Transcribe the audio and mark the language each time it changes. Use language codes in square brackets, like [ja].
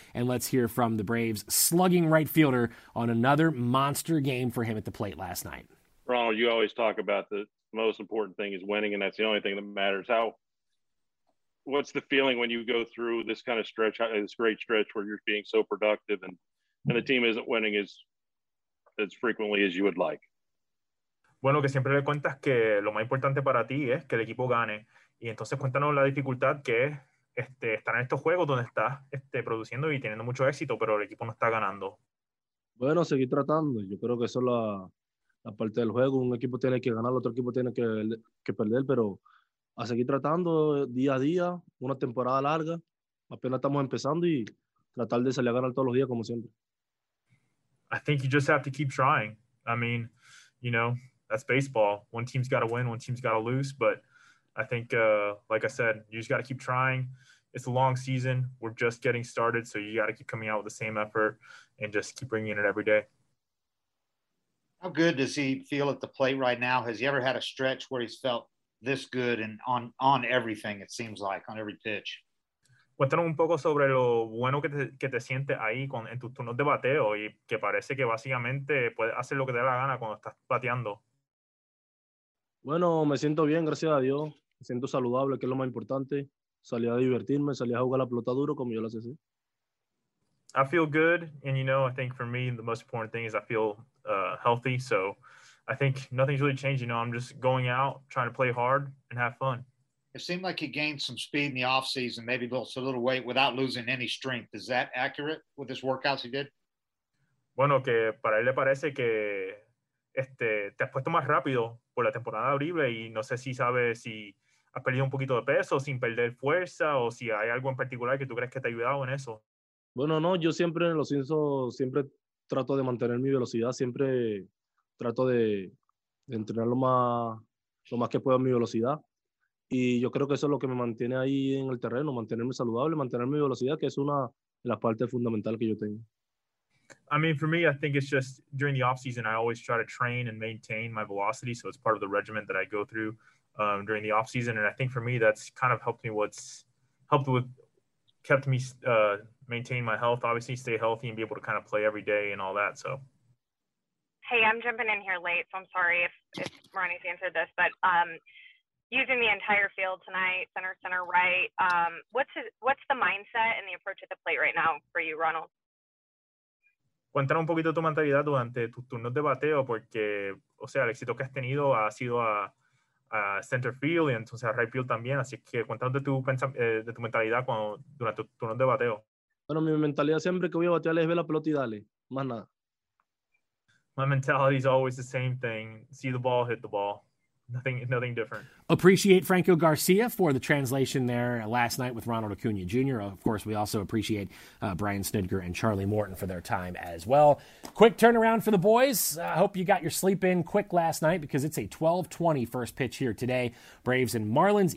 [en] And let's hear from the Braves slugging right fielder on another monster game for him at the plate last night. Ronald, you always talk about the most important thing is winning, and that's the only thing that matters. What's the feeling when you go through this kind of stretch, this great stretch where you're being so productive and the team isn't winning as frequently as you would like? [es] Bueno, que siempre le cuentas que lo más importante para ti es que el equipo gane. Y entonces cuéntanos la dificultad que es estar en estos juegos donde estás produciendo y teniendo mucho éxito, pero el equipo no está ganando. Bueno, seguir tratando. Yo creo que eso es la parte del juego. Un equipo tiene que ganar, el otro equipo tiene que perder, pero a seguir tratando día a día, una temporada larga. Apenas estamos empezando y tratar de salir a ganar todos los días como siempre. [en] I think you just have to keep trying. I mean, you know, that's baseball. One team's got to win, one team's got to lose. But I think, like I said, you just got to keep trying. It's a long season. We're just getting started. So you got to keep coming out with the same effort and just keep bringing it every day. How good does he feel at the plate right now? Has he ever had a stretch where he's felt this good and on everything, it seems like, on every pitch? [es] Cuéntanos un poco sobre lo bueno que te sientes ahí en tus turnos de bateo y que parece que básicamente puedes hacer lo que te da la gana cuando estás bateando. Bueno, me siento bien, gracias a Dios. Me siento saludable, que es lo más importante. Salí a divertirme, salí a jugar la pelota duro como yo lo hacía. [en] I feel good, and you know, I think for me the most important thing is I feel healthy, so I think nothing's really changed. You know, I'm just going out, trying to play hard and have fun. It seemed like he gained some speed in the offseason, maybe lost a little weight without losing any strength. Is that accurate with his workouts he did? [es] Bueno, que para él le parece que te has puesto más rápido por la temporada libre y no sé si sabe si has perdido un poquito de peso sin perder fuerza o si hay algo en particular que tú crees que te ha ayudado en eso. Bueno, no, yo siempre en los insos siempre trato de mantener mi velocidad, siempre trato de entrenar lo más que pueda mi velocidad. Y yo creo que eso es lo que me mantiene ahí en el terreno, mantenerme saludable, mantener mi velocidad, que es una de las partes fundamentales que yo tengo. [en] I mean, for me, I think it's just during the offseason, I always try to train and maintain my velocity. So it's part of the regimen that I go through during the offseason. And I think for me, that's kind of helped me kept me maintain my health, obviously stay healthy and be able to kind of play every day and all that. So. Hey, I'm jumping in here late, so I'm sorry if Ronnie's answered this, but using the entire field tonight, center, right, what's the mindset and the approach at the plate right now for you, Ronald? [es] Cuéntanos un poquito tu mentalidad durante tus turnos de bateo, porque, o sea, el éxito que has tenido ha sido a center field y entonces a right field también, así que cuéntanos de tu mentalidad durante tus turnos de bateo. Bueno, mi mentalidad siempre que voy a batear es ver la pelota y dale, más nada. [en] My mentality is always the same thing. See the ball, hit the ball. Nothing different. Appreciate Franco Garcia for the translation there last night with Ronald Acuna Jr. Of course, we also appreciate Brian Snitker and Charlie Morton for their time as well. Quick turnaround for the boys. I hope you got your sleep in quick last night because it's a 12:20 first pitch here today. Braves and Marlins.